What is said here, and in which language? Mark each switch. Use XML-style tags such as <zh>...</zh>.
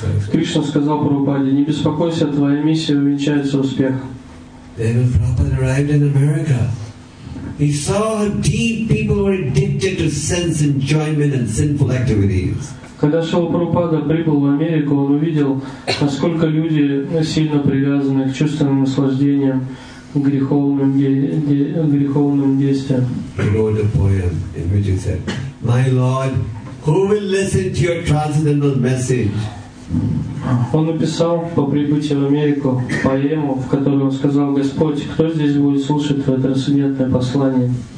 <ru>Кришна сказал Прабхупаде: не беспокойся, твоя миссия увенчается успехом.</ru> <en>Then when Prabhupada arrived in America, he saw how deep people were addicted to sense enjoyment and sinful activities.</en> <ru>Когда Шрила Прабхупада прибыл в Америку, он увидел, насколько люди сильно привязаны к чувственным наслаждениям, к греховным действиям.</ru> <en>He wrote a poem in which he said, "My Lord, who will listen to your transcendental message?"</en> <ru>Он написал по прибытии в Америку поэму, в которой он сказал: Господь, кто здесь будет слушать твое трансцендентное послание?</ru>